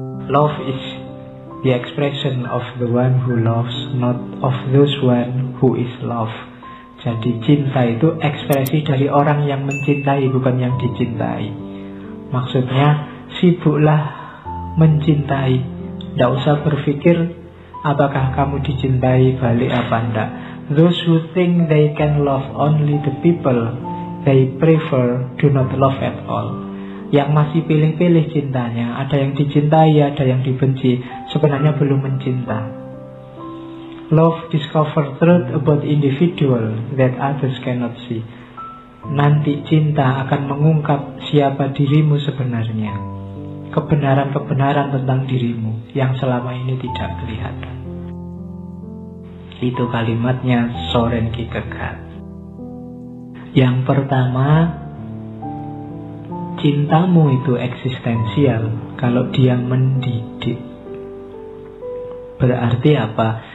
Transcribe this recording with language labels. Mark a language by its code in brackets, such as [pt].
[en] Love is the expression of the one who loves, not of those one who is loved. [id] Jadi cinta itu ekspresi dari orang yang mencintai, bukan yang dicintai. Maksudnya, sibuklah mencintai. Tidak usah berpikir apakah kamu dicintai balik apa enggak. [en] Those who think they can love only the people they prefer do not love at all. [id] Yang masih pilih-pilih cintanya, ada yang dicintai, ada yang dibenci, sebenarnya belum mencinta. [en] Love discover truth about individual that others cannot see. [id] Nanti cinta akan mengungkap siapa dirimu sebenarnya. Kebenaran-kebenaran tentang dirimu yang selama ini tidak kelihatan. Itu kalimatnya Soren Kierkegaard. Yang pertama, cintamu itu eksistensial kalau dia mendidik. Berarti apa?